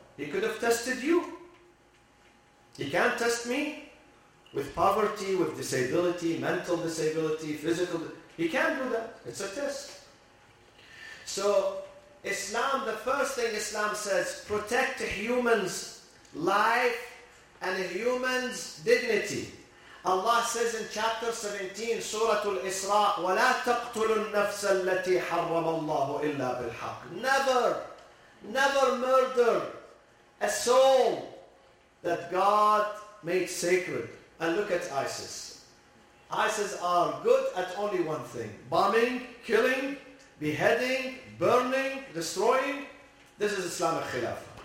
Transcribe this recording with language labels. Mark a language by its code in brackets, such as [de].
[en] He could have tested you. He can't test me with poverty, with disability, mental disability, physical. He can't do that. It's a test. So Islam, the first thing Islam says, protect humans' life and humans' dignity. Allah says in chapter 17, Surah Al-Isra, [ar] وَلَا تَقْتُلُ النَّفْسَ الَّتِي حَرَّمَ اللَّهُ إِلَّا بِالْحَقِّ. [en] Never murder a soul that God made sacred. And look at ISIS. ISIS are good at only one thing: bombing, killing, beheading, burning, destroying. This is Islamic Khilafah.